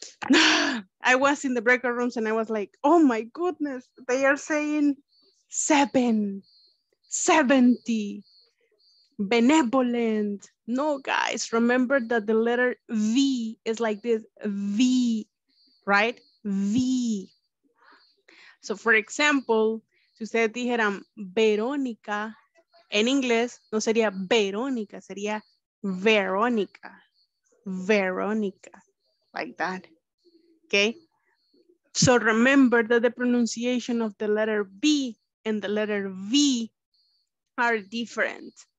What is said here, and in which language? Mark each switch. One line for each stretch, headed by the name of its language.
English: I was in the breakout rooms and I was like, oh my goodness, they are saying 770. Benevolent. No, guys, remember that the letter V is like this V, right? V. So, for example,
Spanish: si ustedes dijeran Verónica, en inglés no sería Verónica, sería Verónica.
English: Verónica. Like that. Okay? So remember that the pronunciation of the letter B and the letter V are different.